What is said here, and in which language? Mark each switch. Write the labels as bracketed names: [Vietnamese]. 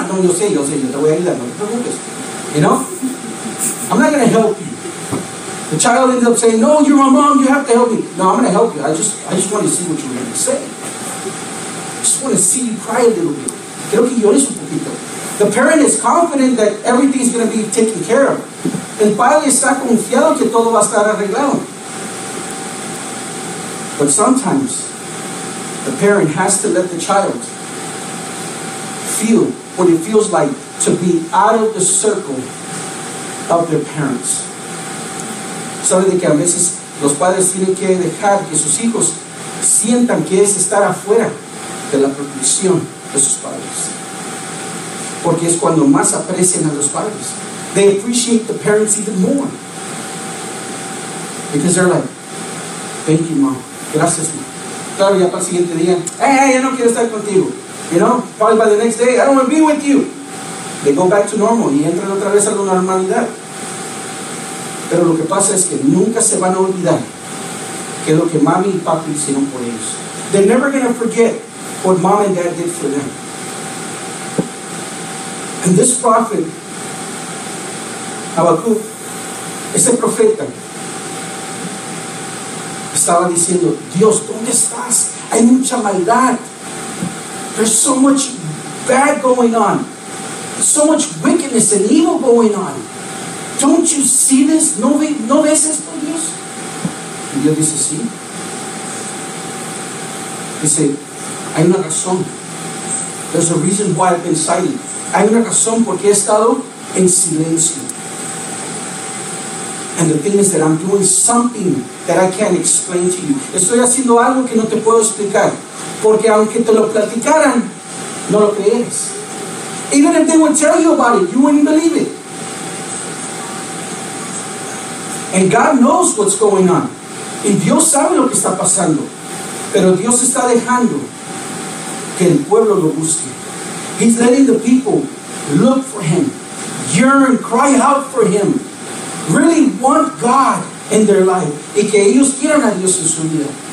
[Spanish] No, yo sé, yo te voy a ayudar. No te preocupes. [English] You know? I'm not going to help you. The child ended up saying, no, you're my mom, you have to help me. No, I'm going to help you. I just want to see what you're going to say. I just want to see you cry a little bit. [Spanish] Quiero que llores un poquito. [English] The parent is confident that everything is going to be taken care of. [Spanish] El padre está confiado que todo va a estar arreglado. [English] But sometimes, the parent has to let the child feel what it feels like to be out of the circle of their parents. [Spanish] ¿Sabe de que a veces los padres tienen que dejar que sus hijos sientan que es estar afuera de la protección de sus padres? Porque es cuando más aprecian a los padres. [English] They appreciate the parents even more. Because they're like, thank you, Mom. [Spanish] Gracias, Mom. Claro, ya para el siguiente día. [English] Hey, I don't [Spanish] quiero estar contigo. [English] You know, probably by the next day, I don't want to be with you. They go back to normal. [Spanish] Y entran otra vez a la normalidad. Pero lo que pasa es que nunca se van a olvidar que lo que mami y papi hicieron por ellos. [English] They're never going to forget what mom and dad did for them. And this prophet, [Spanish] Habacuc, ese profeta, estaba diciendo, Dios, ¿dónde estás? Hay mucha maldad. [English] There's so much bad going on. So much wickedness and evil going on. Don't you see this? [Spanish] ¿No ves esto, Dios? Y Dios dice, sí. Dice, hay una razón. [English] There's a reason why I've been silent. [Spanish] Hay una razón porque he estado en silencio. [English] And the thing is that I'm doing something that I can't explain to you. [Spanish] Estoy haciendo algo que no te puedo explicar. Porque aunque te lo platicaran, no lo crees. [English] Even if they would tell you about it, you wouldn't believe it. And God knows what's going on. [Spanish] Y Dios sabe lo que está pasando. Pero Dios está dejando que el pueblo lo busque. [English] He's letting the people look for him, yearn, cry out for him, really want God in their life. [Spanish] Y que ellos quieran a Dios en su vida.